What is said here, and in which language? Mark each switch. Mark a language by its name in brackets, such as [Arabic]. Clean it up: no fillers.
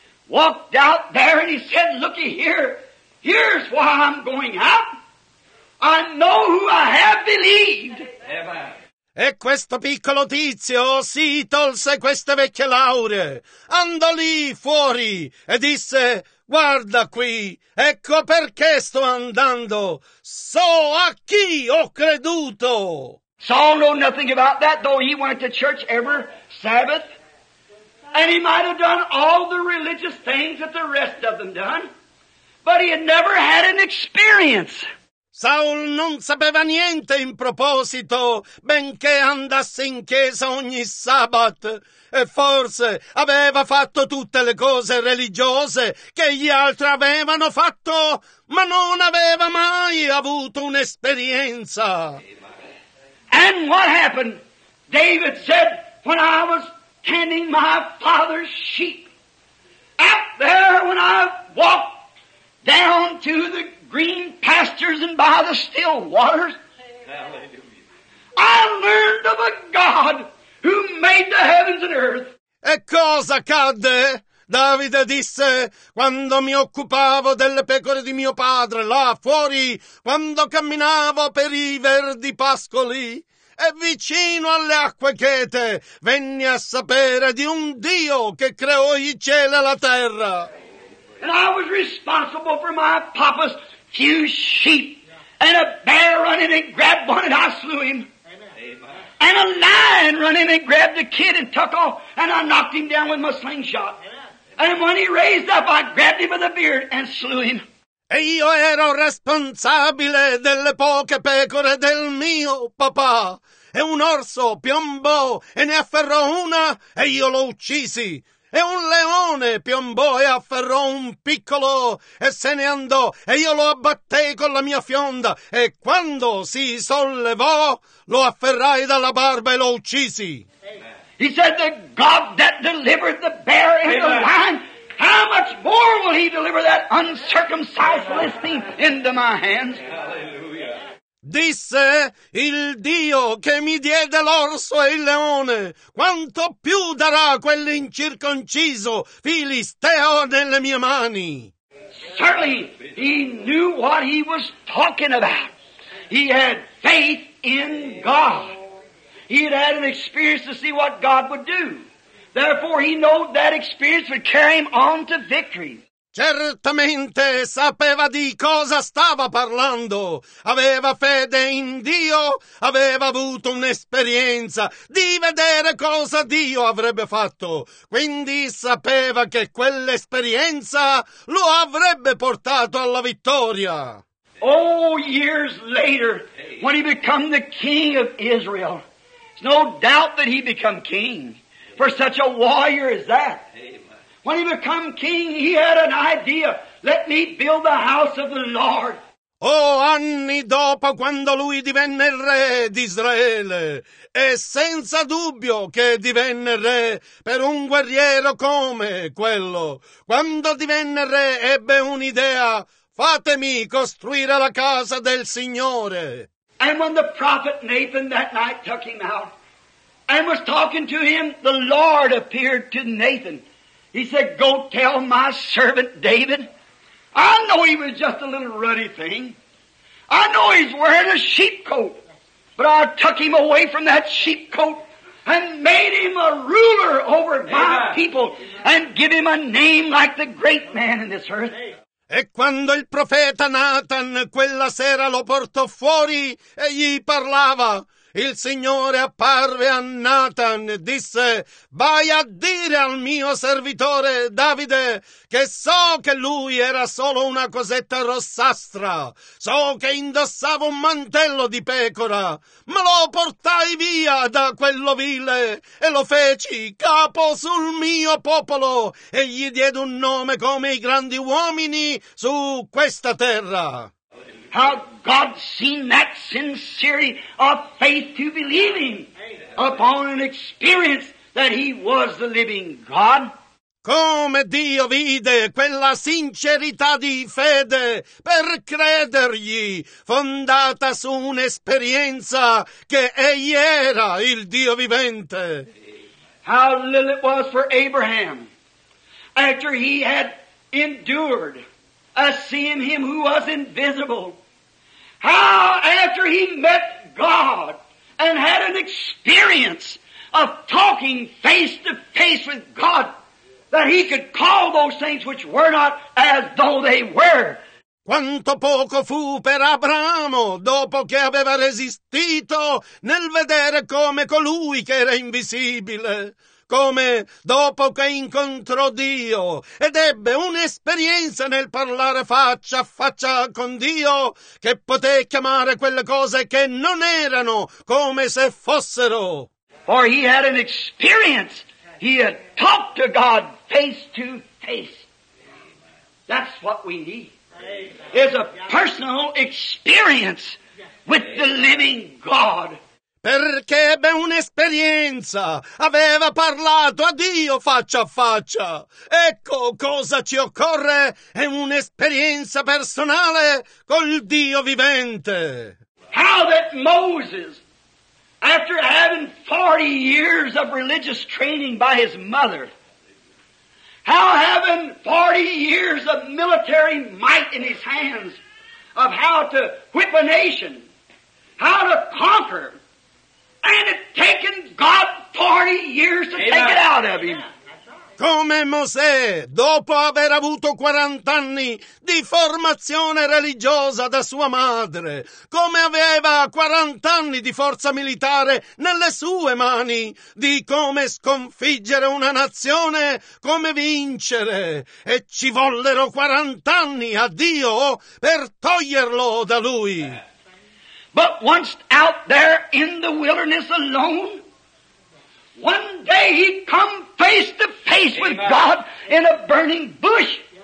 [English] Walked out there and he said, looky here, here's why I'm going out. I know who I have believed. [Italian] E questo piccolo tizio si tolse queste vecchie lauree, andò lì fuori e disse, guarda qui, ecco perché sto andando, so a chi ho creduto. [English] Saul knew nothing about that, though he went to church every Sabbath. And he might have done all the religious things that the rest of them done, but he had never had an experience. [Italian] Saul non sapeva niente in proposito, benché andasse in chiesa ogni sabato, e forse aveva fatto tutte le cose religiose che gli altri avevano fatto, ma non aveva mai avuto un'esperienza. [English] And what happened? David said, when I was tending my father's sheep. Out there when I walked down to the green pastures and by the still waters, hallelujah. I learned of a God who made the heavens and earth. [Italian] E cosa accadde? Davide disse, quando mi occupavo delle pecore di mio padre, là fuori, quando camminavo per i verdi pascoli, e vicino alle acque chete venni a sapere di un Dio che creò i cieli e la terra. [English] And I was responsible for my papa's few sheep. And a bear run in and grabbed one and I slew him. Amen. And a lion run in and grabbed the kid and took off and I knocked him down with my slingshot. Amen. And when he raised up I grabbed him by the beard and slew him. [Italian] E io ero responsabile delle poche pecore del mio papà. E un orso piombò e ne afferrò una e io lo uccisi. E un leone piombò e afferrò un piccolo e se ne andò. E io lo abbattei con la mia fionda. E quando si sollevò, lo afferrai dalla barba e lo uccisi. [English] He said, the God that delivered the bear and the lion, how much more will he deliver that uncircumcised listening into my hands? Hallelujah. [Italian] Disse il Dio che mi diede l'orso e il leone, quanto più darà quell'incirconciso filisteo nelle mie mani? [English] Certainly, he knew what he was talking about. He had faith in God. He had had an experience to see what God would do. Therefore, he knew that experience would carry him on to victory. [Italian] Certamente sapeva di cosa stava parlando. Aveva fede in Dio, aveva avuto un'esperienza di vedere cosa Dio avrebbe fatto. Quindi sapeva che quell'esperienza lo avrebbe portato alla vittoria. [English] Oh, years later, when he became the king of Israel, it's no doubt that he became king. For such a warrior as that. Amen. When he became king, he had an idea. Let me build the house of the Lord. [Italian] Oh, anni dopo, quando lui divenne il re d'Israele, e senza dubbio che divenne re per un guerriero come quello, quando divenne re, ebbe un'idea. Fatemi costruire la casa del Signore. [English] And when the prophet Nathan that night took him out, and was talking to him, the Lord appeared to Nathan. He said, go tell my servant David. I know he was just a little ruddy thing. I know he's wearing a sheep coat. But I took him away from that sheep coat and made him a ruler over my people and give him a name like the great man in this earth. [Italian] E quando il profeta Nathan quella sera lo portò fuori e gli parlava, Il Signore apparve a Nathan e disse: vai a dire al mio servitore Davide che so che lui era solo una cosetta rossastra, so che indossava un mantello di pecora, ma lo portai via da quell'ovile e lo feci capo sul mio popolo e gli diede un nome come i grandi uomini su questa terra. [English] How God seen that sincerity of faith to believe him upon an experience that he was the living God. [Italian] Come Dio vide quella sincerità di fede per credergli, fondata su un'esperienza che egli era il Dio vivente. [English] How little it was for Abraham after he had endured seeing him who was invisible. How after he met God and had an experience of talking face to face with God, that he could call those things which were not as though they were. [Italian] Quanto poco fu per Abramo dopo che aveva resistito nel vedere come colui che era invisibile. Come dopo che incontrò Dio ed ebbe un'esperienza nel parlare faccia a faccia con Dio, che poté chiamare quelle cose che non erano come se fossero. [English] For he had an experience. He had talked to God face to face. That's what we need. Is a personal experience with the living God. [Italian] Perché ebbe un'esperienza, aveva parlato a Dio faccia a faccia. Ecco cosa ci occorre, è un'esperienza personale col Dio vivente. [English] How that Moses, after having 40 years of religious training by his mother, how having 40 years of military might in his hands, of how to whip a nation, how to conquer, and it taken God 40 years to take it out of him. [Italian] Come Mosè, dopo aver avuto 40 anni di formazione religiosa da sua madre, come aveva 40 anni di forza militare nelle sue mani, di come sconfiggere una nazione, come vincere, e ci vollero 40 anni a Dio per toglierlo da lui. [English] But once out there in the wilderness alone, one day he come face to face with God in a burning bush.